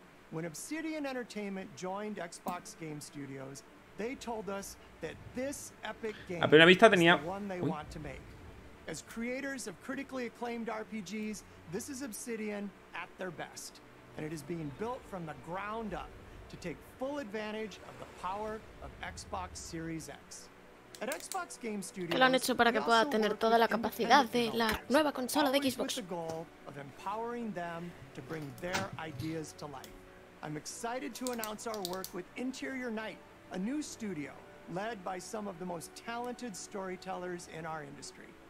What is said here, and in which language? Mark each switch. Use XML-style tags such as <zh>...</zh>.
<en>When Obsidian Entertainment joined Xbox Game Studios, they told us that this epic game is the one they want to make. As creators of critically acclaimed RPGs, this is Obsidian at their best, and it is being built from the ground up to take full advantage of the power of Xbox Series X. At Xbox Game Studios,</en> <es>lo han hecho para que pueda tener toda la capacidad de la nueva consola de Xbox.</es> <en>With the goal of empowering them to bring their ideas to life. I'm excited to announce our work with Interior Night, a new studio led by some of the most talented storytellers in our industry.</en>